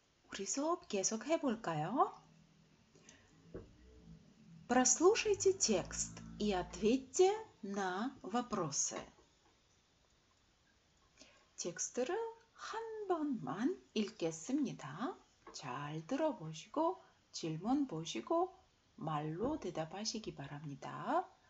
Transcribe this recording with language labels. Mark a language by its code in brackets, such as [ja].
[ko] 우리 수업 계속 해볼까요? [ru] Прослушайте текст и ответьте на вопросы. [ko] 텍스트를 한 번만 읽겠습니다. 잘 들어보시고 질문 보시고 말로 대답하시기 바랍니다.